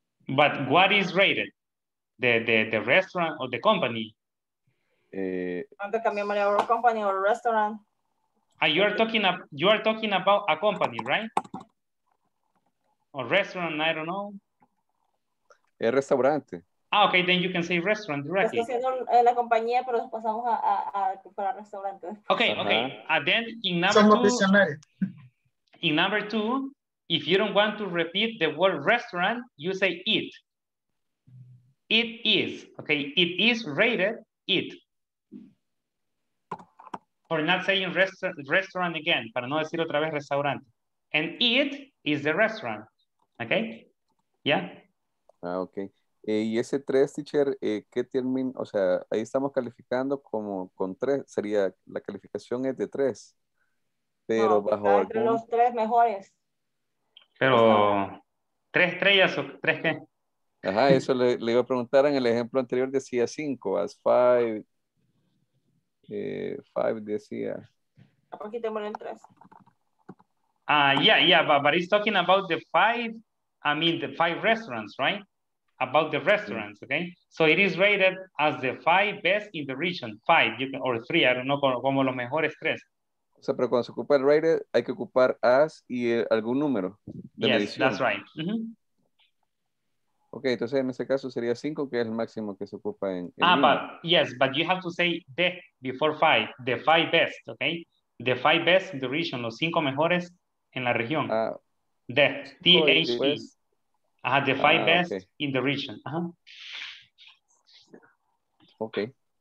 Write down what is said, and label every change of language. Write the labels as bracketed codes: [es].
[en] But what is rated? The restaurant or the company? Company or restaurant. You are talking about a company, right? Or restaurant, I don't know. [es] El restaurante. [en] Ah, okay, then you can say restaurant directly. [es] Estoy haciendo la compañía, pero pasamos para restaurante. [en] Okay, okay. And then in number two, if you don't want to repeat the word restaurant, you say it. It is, okay? It is rated it. For not saying restaurant again, [es] para no decir otra vez restaurante. [en] And it is the restaurant, okay? Yeah? [es] Okay. Y ese tres, teacher, ¿qué termina? O sea, ahí estamos calificando como con tres. Sería, la calificación es de tres. Pero no, bajo entre algún... los tres mejores. Pero, o sea, ¿tres estrellas o tres qué? Ajá, eso le iba a preguntar. En el ejemplo anterior decía cinco. [en] As five [es] decía. Aquí tenemos el tres. [en] But he's talking about the five restaurants, right? About the restaurants, okay? So it is rated as the five best in the region. Five, you can, or three, I don't know, [es] como los mejores tres. O sea, pero cuando se ocupa el rated, hay que ocupar as y algún número de [en] yes, [es] medición. [en] That's right. Mm-hmm. [es] Okay, entonces en ese caso sería cinco, que es el máximo que se ocupa en el número. [en] But you have to say the before five, the five best, okay? The five best in the region, [es] los cinco mejores en la región. [en] The T-H-E. The five best okay. In the region. Okay.